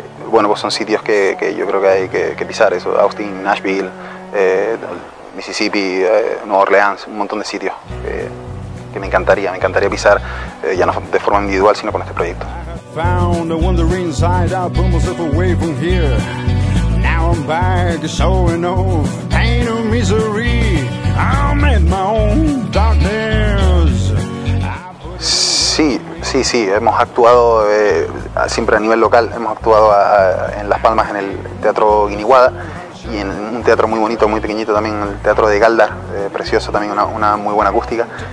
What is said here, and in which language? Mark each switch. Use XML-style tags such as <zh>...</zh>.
<es>Bueno, pues son sitios que yo creo que hay que pisar, eso, Austin, Nashville, Mississippi, Nueva Orleans, un montón de sitios que me encantaría pisar, ya no de forma individual, sino con este proyecto.</es> <en>Found a wandering side, I pull myself away from here. Now I'm back, showing off pain and misery. I'm in my own darkness.</en> <es>Sí, hemos actuado siempre a nivel local. Hemos actuado en Las Palmas, en el Teatro Guiniguada, y en un teatro muy bonito, muy pequeñito también, el Teatro de Galdar, precioso también, una muy buena acústica.</es>